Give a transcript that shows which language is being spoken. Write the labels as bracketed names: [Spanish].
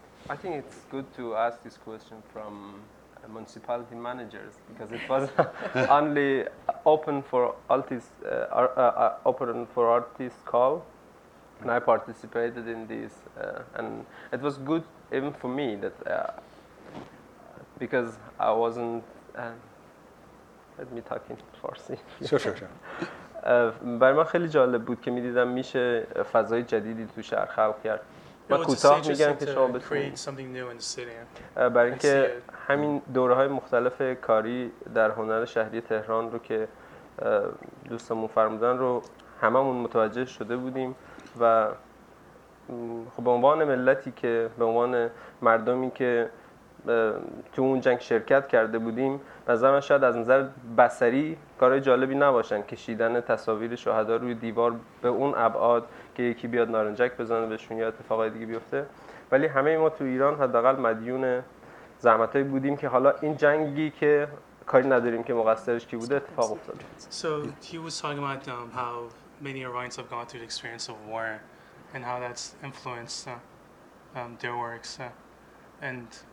[English] I think it's good to ask this question from municipality managers, because it was only open for artists call, and I participated in this, and it was good even for me that because I wasn't. Let me talk in Farsi. Sure. [Persian] برای من خیلی جالب بود که می‌دیدم میشه فضای جدیدی تو شهر خلق کرد. [English] No, it's just [Persian] میگن که شما بتونید [English] something new in the city. [Persian] برای اینکه همین دوره‌های مختلف کاری در هنر شهری تهران رو که دوستمون فرمودن رو هممون متوجه شده بودیم و خب به عنوان ملتی که به عنوان مردمی که تو اون جنگ شرکت کرده بودیم مثلا شاید از نظر بصری کار جالبی نباشن کشیدن تصاویر شهدا روی دیوار به اون ابعاد که یکی بیاد نارنجک بزنه بهشون یا اتفاقای دیگه بیفته ولی همه ما تو ایران حداقل مدیون زحمتای بودیم که حالا این جنگی که کاری نداریم که مقصرش کی بوده اتفاق افتاد. [English] So he was talking about how many Iranians have gone through the experience of war and how that's influenced their works and